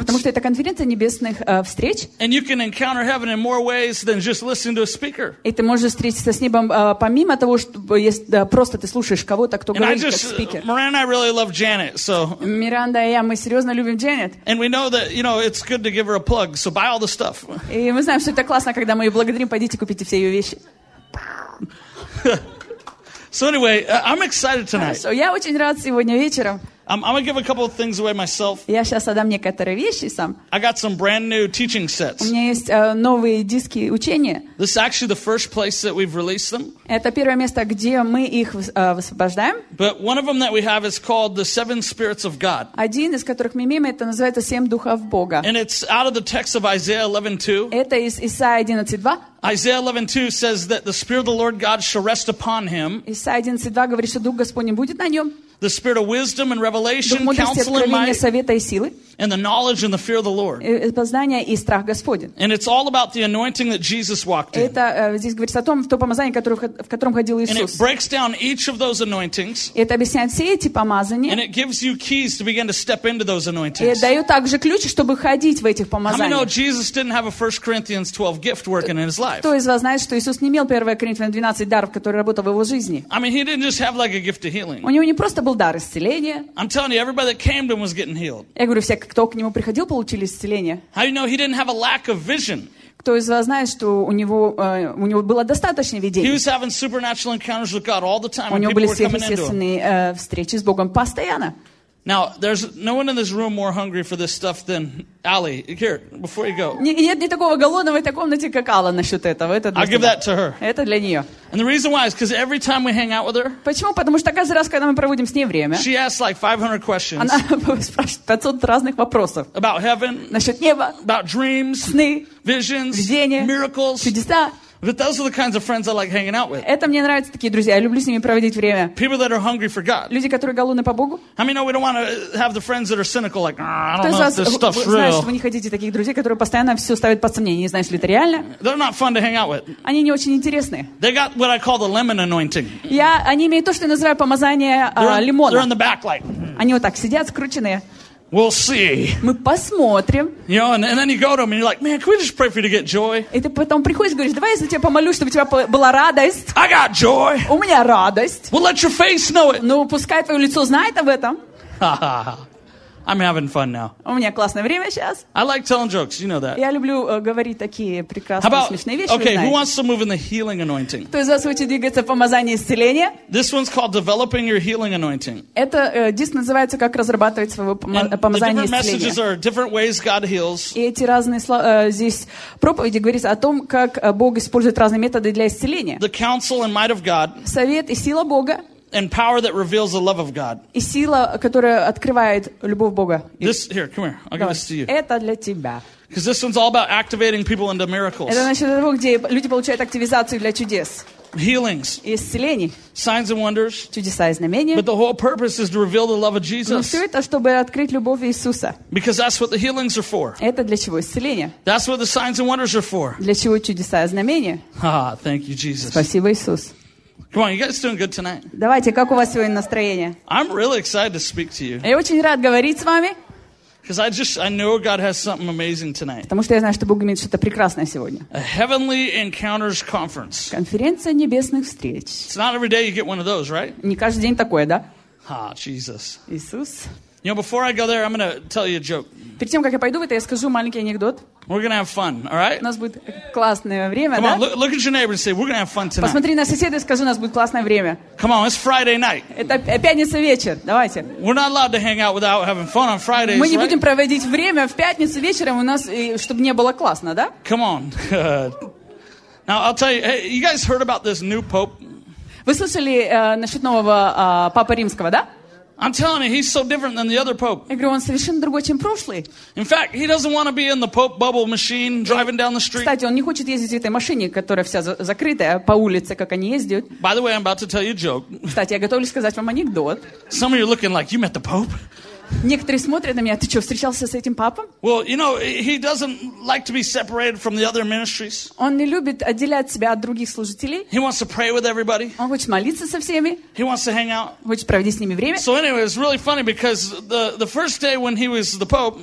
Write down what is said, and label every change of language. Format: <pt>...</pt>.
<ru>Потому что это конференция небесная.</ru> <en>And you can encounter heaven in more ways than just listening to a speaker.</en> <ru>И ты можешь встретиться с небом помимо того, чтобы просто ты слушаешь кого-то, кто говорит как спикер.</ru> <en>Miranda, I really love Janet, so.</en> <ru>Миранда и я, мы серьезно любим Джанет.</ru> <en>And we know that, you know, it's good to give her a plug. So buy all the stuff.</en> <ru>И мы знаем, что это классно, когда мы ее благодарим, пойдите купите все ее вещи.</ru> <en>So anyway, I'm excited tonight.</en> <ru>Я очень рад сегодня вечером.</ru> <en>I'm going to give a couple of things away myself.</en> <ru>Я сейчас отдам некоторые вещи сам.</ru> <en>I got some brand new teaching sets.</en> <ru>У меня есть новые диски учения.</ru> <en>This is actually the first place that we've released them.</en> <ru>Это первое место, где мы их высвобождаем.</ru> <en>But one of them that we have is called the Seven Spirits of God.</en> <ru>Один из которых мы имеем, это называется Семь Духов Бога.</ru> <en>And it's out of the text of Isaiah 11:2.</en> <ru>Это из Исаия 11:2.</ru> <en>Isaiah 11:2 says that the Spirit of the Lord God shall rest upon him.</en> <ru>Исаия 11:2 говорит, что Дух Господень будет на нем.</ru> <en>The spirit of wisdom and revelation, counsel and might, and the knowledge and the fear of the Lord.</en> <ru>Познание и страх Господень.</ru> <en>And it's all about the anointing that Jesus walked in.</en> <ru>Это здесь говорится о том, то помазание, в котором ходил Иисус.</ru> <en>And it breaks down each of those anointings.</en> <ru>Это объясняет все эти помазания.</ru> <en>And it gives you keys to begin to step into those anointings.</en> <ru>И дает также ключи, чтобы ходить в этих помазаниях.</ru> <en>How many know Jesus didn't have a 1 Corinthians 12 gift working in his life?</en> <ru>Кто из вас знает, что Иисус не имел 1 Коринфянам 12 даров, который работал в его жизни?</ru> <en>I mean, he didn't just have like a gift of healing.</en> <ru>У него не просто был дар исцеления.</ru> <en>I'm telling you, everybody that came to him was getting healed.</en> <ru>Я говорю, все, кто к нему приходил, получили исцеление.</ru> <en>How you know he didn't have a lack of vision?</en> <ru>Кто из вас знает, что у него было достаточно видений? У него были сверхъестественные встречи с Богом постоянно.</ru> <en>Now, there's no one in this room more hungry for this stuff than Ali. Here, before you go.</en> <ru>Нет никакого голодного в этой комнате, как Алла насчёт этого. Это</ru> <en>I'll give that to her.</en> <ru>Это для неё.</ru> <en>And the reason why is because every time we hang out with her.</en> <ru>Почему? Потому что каждый раз, когда мы проводим с ней время.</ru> <en>She asks like 500 questions.</en> <ru>Она спрашивает 500 разных вопросов.</ru> <en>About heaven.</en> <ru>Насчёт неба.</ru> <en>About dreams.</en> <ru>Сны.</ru> <en>Visions.</en> <ru>Видения.</ru> <en>Miracles.</en> <ru>Чудеса.</ru> <en>But those are the kinds of friends I like hanging out with.</en> <ru>Это мне нравятся такие друзья. Я люблю с ними проводить время.</ru> <en>People that are hungry for God.</en> <ru>Люди, которые голодны по Богу.</ru> <en>I mean, no, we don't want to have the friends that are cynical, like, I don't know if this stuff's real.</en> <ru>Знаешь, вы не хотите таких друзей, которые постоянно все ставят под сомнение, не знаешь ли это реально?</ru> <en>They're not fun to hang out with.</en> <ru>Они не очень интересны.</ru> <en>They got what I call the lemon anointing.</en> <ru>Я, они имеют то, что я называю помазание лимона.</ru> <en>They're in the back, like.</en> <ru>Они вот так сидят, скрученные.</ru> <en>We'll see.</en> <ru>Мы посмотрим.</ru> <en>You know, and then you go to him and you're like, man, can we just pray for you to get joy?</en> <ru>И ты потом приходишь и говоришь, давай я за тебя помолюсь, чтобы у тебя была радость.</ru> <en>I got joy.</en> <ru>У меня радость.</ru> <en>We'll let your face know it.</en> <ru>Ну, пускай твое лицо знает об этом.</ru> <en>I'm having fun now.</en> <ru>У меня классное время сейчас.</ru> <en>I like telling jokes, you know that.</en> <ru>Я люблю говорить такие прекрасные, смешные вещи,</ru> <en>okay, who wants to move in the healing anointing?</en> <ru>Кто из вас хочет двигаться в помазании исцеления?</ru> <en>This one's called developing your healing anointing.</en> <ru>Это диск называется «Как разрабатывать свое помазание исцеления».</ru> <en>The different messages are different ways God heals.</en> <ru>И эти разные здесь проповеди говорится о том, как Бог использует разные методы для исцеления.</ru> <en>The counsel and might of God.</en> <ru>Совет и сила Бога.</ru> <en>And power that reveals the love of God.</en> <ru>И сила, которая открывает любовь Бога.</ru> <en>This here, come here. I'll give this to you.</en> <ru>Это для тебя.</ru> <en>Because this one's all about activating people into miracles.</en> <ru>Это насчет того, где люди получают активизацию для чудес.</ru> <en>Healings.</en> <ru>Исцелений.</ru> <en>Signs and wonders.</en> <ru>Чудеса и знамения.</ru> <en>But the whole purpose is to reveal the love of Jesus.</en> <ru>Но все это, чтобы открыть любовь Иисуса.</ru> <en>Because that's what the healings are for.</en> <ru>Это для чего исцеление?</ru> <en>That's what the signs and wonders are for.</en> <ru>Для чего чудеса и знамения?</ru> <en>Ah, thank you, Jesus.</en> <ru>Спасибо, Иисус.</ru> <en>Come on, you guys doing good tonight?</en> <ru>Давайте, как у вас сегодня настроение?</ru> <en>I'm really excited to speak to you.</en> <ru>Я очень рад говорить с вами.</ru> <en>Because I know God has something amazing tonight.</en> <ru>Потому что я знаю, что Бог имеет что-то прекрасное сегодня.</ru> <en>A heavenly encounters conference.</en> <ru>Конференция небесных встреч.</ru> <en>It's not every day you get one of those, right?</en> <ru>Не каждый день такое, да?</ru> <en>Ah, Jesus.</en> <ru>Иисус.</ru> <en>You know, before I go there, I'm going to tell you a joke.</en> <ru>Перед тем, как я пойду в это, я скажу маленький анекдот.</ru> <en>We're going to have fun, all right?</en> <ru>У нас будет классное время,</ru> <en>Come</en> <ru>да?</ru> <en>Come on, look at your neighbor and say, we're going to have fun tonight.</en> <ru>Посмотри на соседа и скажи, у нас будет классное время.</ru> <en>Come on, it's Friday night.</en> <ru>Это пятница вечер, давайте.</ru> <en>We're not allowed to hang out without having fun on Fridays, right?</en> <ru>Мы не будем проводить время в пятницу вечером у нас, чтобы не было классно, да?</ru> <en>Come on. Now, I'll tell you, hey, you guys heard about this new pope?</en> <ru>Вы слышали насчет нового папы римского, да?</ru> <en>I'm telling you, he's so different than the other pope.</en> <ru>Я говорю, он совершенно другой, чем прошлый.</ru> <en>In fact, he doesn't want to be in the pope bubble machine driving down the street.</en> <ru>Кстати, он не хочет ездить в этой машине, которая вся закрытая по улице, как они ездят.</ru> <en>By the way, I'm about to tell you a joke.</en> <ru>Кстати, я готовлюсь сказать вам анекдот.</ru> <en>Some of you are looking like you met the pope.</en> <ru>Некоторые смотрят на меня, ты что, встречался с этим папом?</ru> <en>Well, you know, he doesn't like to be separated from the other ministries.</en> <ru>Он не любит отделять себя от других служителей.</ru> <en>He wants to pray with everybody.</en> <ru>Он хочет молиться со всеми.</ru> <en>He wants to hang out.</en> <ru>Хочет проводить с ними время.</ru> <en>So anyway, it's really funny because the first day when he was the pope.</en>